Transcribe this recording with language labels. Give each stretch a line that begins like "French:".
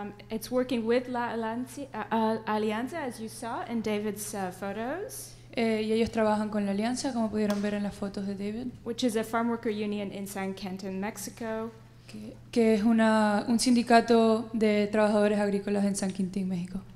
English: It's working with La Alianza, as you saw in David's photos.
Spanish: Y ellos trabajan con La Alianza, como pudieron ver en las fotos de David.
English: Which is a farmworker union in San Quentin, Mexico.
Spanish: Que es un sindicato de trabajadores agrícolas en San Quintín, México.